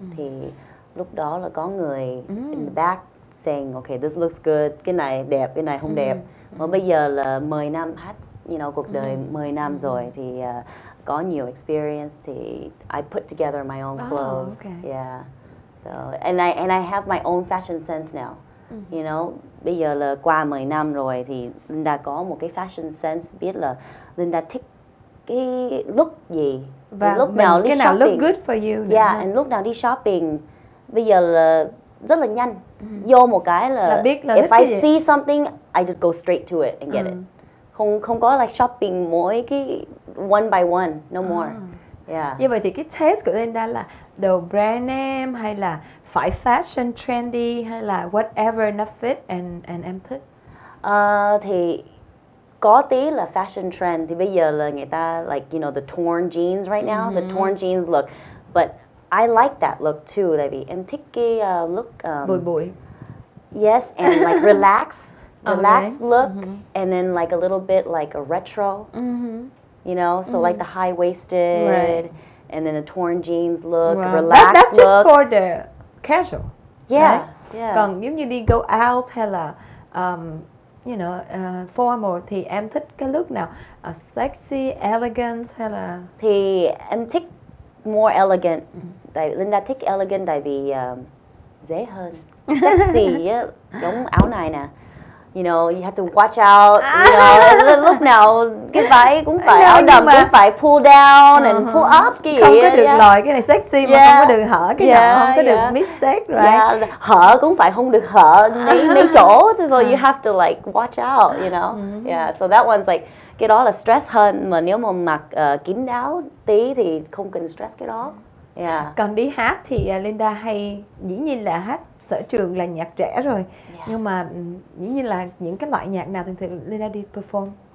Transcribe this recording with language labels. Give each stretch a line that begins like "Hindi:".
Vietnamese: Thì lúc đó là có người
English: in the back saying okay, this looks good,
Vietnamese: cái này đẹp, cái này không đẹp. Mà bây giờ là 10 năm hát,
English: you know,
Vietnamese: cuộc đời 10 năm rồi thì có nhiều experience, thì
English: I put together my own clothes. Oh, okay. Yeah. So and I have my own fashion sense now. You know,
Vietnamese: bây giờ là qua 10 năm rồi thì Linda có một cái fashion sense, biết là Linda thích cái look gì. Và lúc mình, nào đi cái shopping, nào
English: look good for you. Yeah, right?
Vietnamese: And lúc nào đi shopping bây giờ là rất là nhanh. Vô một cái là biết là
English: if I see something, I just go straight to it and get it.
Vietnamese: Không có
English: like shopping
Vietnamese: mỗi cái
English: one by one, no more. Yeah.
Vietnamese: Như vậy thì cái taste của Linda là đồ brand name hay là phải fashion trendy hay là whatever nó fit and em thích? Thì có tí là
English: fashion trend,
Vietnamese: thì bây giờ là người ta
English: like you know the torn jeans right now, the torn jeans look, but I like that look too.
Vietnamese: Tại vì em thích cái look bùi bùi.
English: Yes, and like relaxed look, and then like a little bit like a retro, you know, so like the high waisted, right, and then a torn jeans look, relaxed look. That's just for the casual. Yeah, right?
Vietnamese: Còn giống như đi
English: go out
Vietnamese: hay là
English: you know
Vietnamese: formal thì em thích cái look nào, sexy, elegant hay là? Thì em thích
English: more elegant.
Vietnamese: Tại Linda thích elegant tại vì dễ hơn.
English: Sexy á,
Vietnamese: giống áo này nè.
English: You know, you have to watch out. You know,
Vietnamese: lúc nào cái váy cũng phải áo đầm mà. Cũng phải
English: pull down and pull up
Vietnamese: kìa. Không có được lòi cái này sexy mà không có được hở cái nào, không có được mistake, right?
English: Yeah.
Vietnamese: Hở cũng phải không được hở mấy chỗ.
English: So you have to like watch out, you know? Yeah, so that one's like,
Vietnamese: cái đó là stress hơn. Mà nếu mà mặc kín đáo tí thì không cần stress cái đó.
English: Yeah.
Vietnamese: Còn đi hát thì Linda hay, dĩ nhiên là hát sở trường là nhạc trẻ rồi. Yeah. Nhưng mà dĩ nhiên là những cái loại nhạc nào thường thường Linda đi perform?